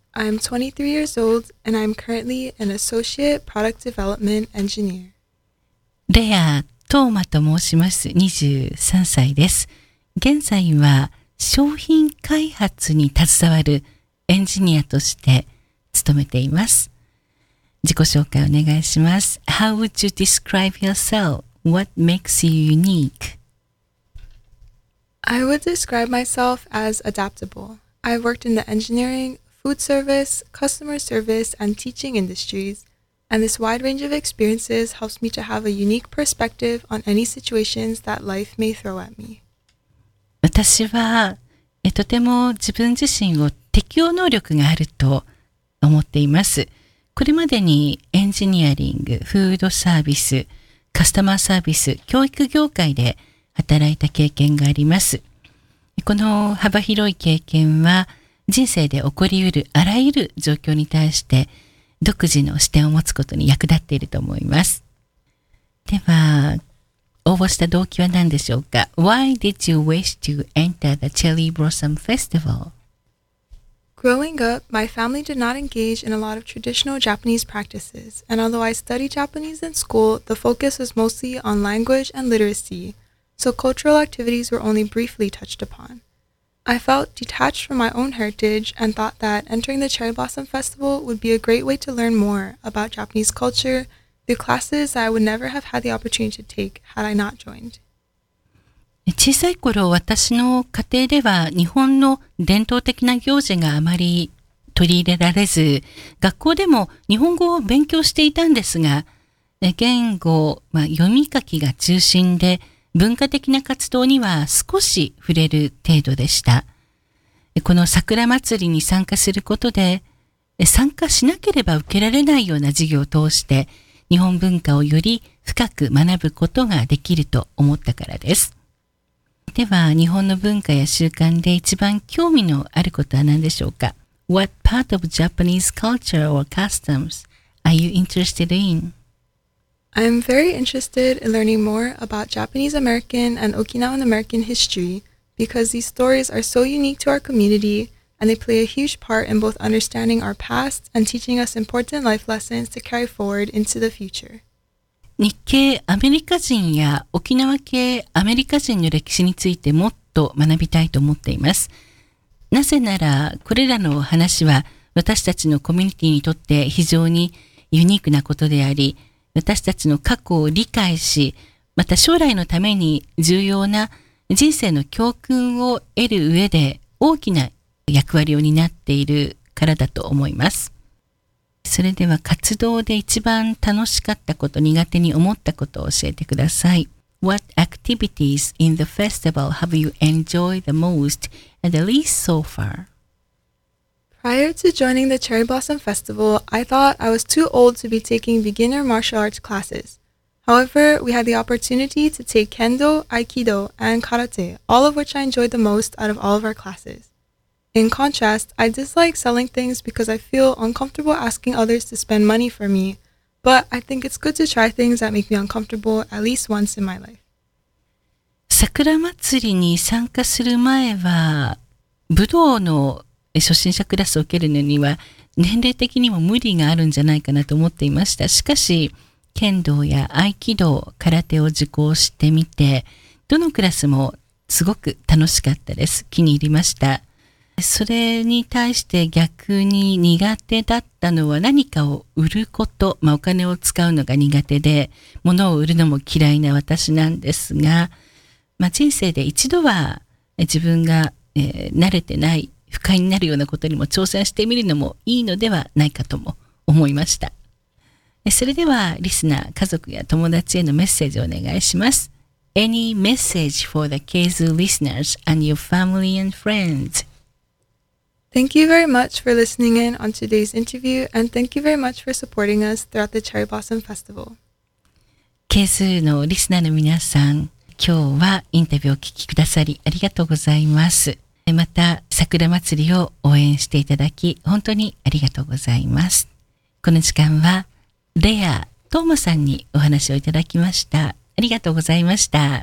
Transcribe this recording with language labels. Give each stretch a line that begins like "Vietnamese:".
English: I'm 23 years old, and I'm currently an associate product development engineer.
Japanese: Leia Toma と申します。23歳です。現在は商品開発に携わるエンジニアとして勤めています。自己紹介お願いします。
English: How would you describe yourself? What makes you unique? I would describe myself as adaptable. I worked in the engineering, food service, customer service, and teaching industries, and this wide range of experiences helps me to have a unique perspective on any situations that life may throw at me.
Japanese: 私はとても自分自身を適応能力があると思っています。これまでにエンジニアリング、フードサービス、カスタマーサービス、教育業界で働いた経験があります。この幅広い経験は人生で起こりうるあらゆる状況に対して独自の視点を持つことに役立っていると思います。では、応募した動機は何でしょうか?
English: Why did you wish to enter the Cherry Blossom Festival? Growing up, my family did not engage in a lot of traditional Japanese practices, and although I studied Japanese in school, the focus was mostly on language and literacy. So cultural activities were only briefly touched upon. I felt detached from my own heritage and thought that entering the Cherry Blossom Festival would be a great way to learn more about Japanese culture through classes I would never have had the opportunity to take had I not joined.
Japanese: 小さい頃、私の家庭では日本の伝統的な行事があまり取り入れられず、学校でも日本語を勉強していたんですが、言語、読み書きが中心で、文化的な活動には少し触れる程度でした。この桜祭りに参加することで、参加しなければ受けられないような授業を通して、日本文化をより深く学ぶことができると思ったからです。では、日本の文化や習慣で一番興味のあることは何でしょうか?
English: What part of Japanese culture or customs are you interested in? I'm very interested in learning more about Japanese American and Okinawan American history because these stories are so unique to our community and they play a huge part in both understanding our past and teaching us important life lessons to carry forward into the future.
Japanese: 日系アメリカ人や沖縄系アメリカ人の歴史についてもっと学びたいと思っています。なぜならこれらの話は私たちのコミュニティにとって非常にユニークなことであり、私たちの過去を理解し、また将来のために重要な人生の教訓を得る上で大きな役割を担っているからだと思います。それでは活動で一番楽しかったこと、苦手に思ったことを教えてください。
English: What activities in the festival have you enjoyed the most and the least so far? Prior to joining the Cherry Blossom Festival, I thought I was too old to be taking beginner martial arts classes. However, we had the opportunity to take Kendo, Aikido, and Karate, all of which I enjoyed the most out of all of our classes. In contrast, I dislike selling things because I feel uncomfortable asking others to spend money for me, but I think it's good to try things that make me uncomfortable at least once in my life.
Japanese: 桜祭りに参加する前は、武道の初心者クラスを受けるのには年齢的にも無理があるんじゃないかなと思っていました。しかし、剣道や合気道、空手を受講してみて、どのクラスもすごく楽しかったです。気に入りました。それに対して逆に苦手だったのは何かを売ること、お金を使うのが苦手で、物を売るのも嫌いな私なんですが、人生で一度は自分が、慣れてない不快になるようなことにも挑戦してみるのもいいのではないかとも思いました。それではリスナー、家族や友達へのメッセージをお願いします。
English: Any message for the Keizu listeners and your family and friends? Thank you very much for listening in on today's interview and thank you very much for supporting us throughout the Cherry Blossom Festival.
Japanese: Keizu のリスナーの皆さん、今日はインタビューをお聞きくださりありがとうございます。また桜祭りを応援していただき本当にありがとうございます。この時間はレア・トーマさんにお話をいただきました。ありがとうございました。